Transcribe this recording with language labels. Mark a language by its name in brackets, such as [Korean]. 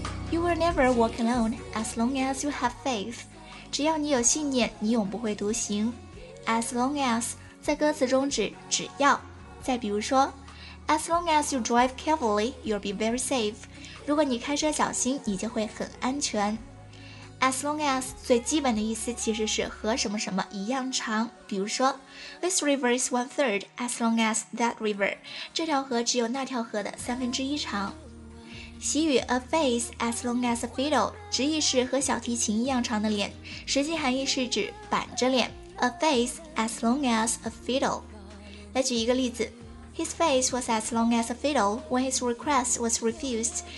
[English] You will never walk alone as long as you have faith. [Chinese] 只要你有信念，你永不会独行。 [English] As long as [Chinese] 在歌词中指只要。再比如说 [English] As long as you drive carefully, you'll be very safe. [Chinese] 如果你开车小心，你就会很安全。 [English] As long as [Chinese] 最基本的意思其实是和什么什么一样长。比如说 [English] This river is one third as long as that river. [Chinese] 这条河只有那条河的三分之一长。习语 [English] a face as long as a fiddle [Chinese] 直译是和小提琴一样长的脸，实际含义是指板着脸 a face as long as a fiddle。来举一个例子， [English] His face was as long as a fiddle when his request was refused.